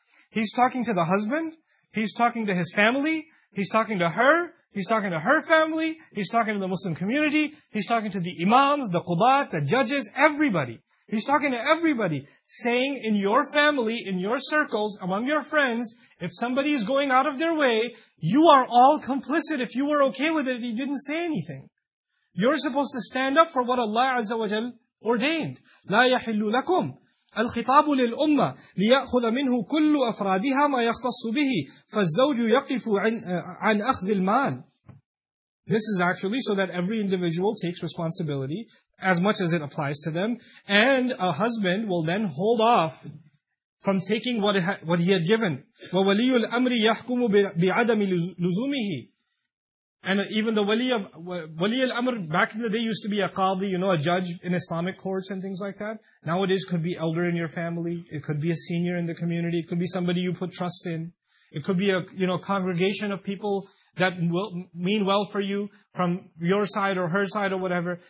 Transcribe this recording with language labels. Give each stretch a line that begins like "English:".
English: He's talking to the husband, he's talking to his family, he's talking to her, he's talking to her family, he's talking to the Muslim community, he's talking to the imams, the qudat, the judges, everybody. He's talking to everybody, saying in your family, in your circles, among your friends, if somebody is going out of their way, you are all complicit. If you were okay with it, he didn't say anything. You're supposed to stand up for what Allah Azza wa Jal ordained.
Arabic: لَا يَحِلُّ لَكُمْ الخطاب للأمة ليأخذ منه كل أفرادها ما يختص به فالزوج يقف عن أخذ المال.
English: This is actually so that every individual takes responsibility as much as it applies to them, and a husband will then hold off from taking what he had given.
Arabic: وولي الأمر يحكم بعدم لزومه.
English: And even the wali al-amr, back in the day used to be a qadi, you know, a judge in Islamic courts and things like that. Nowadays could be elder in your family, it could be a senior in the community, it could be somebody you put trust in. It could be a, you know, congregation of people that will mean well for you from your side or her side or whatever.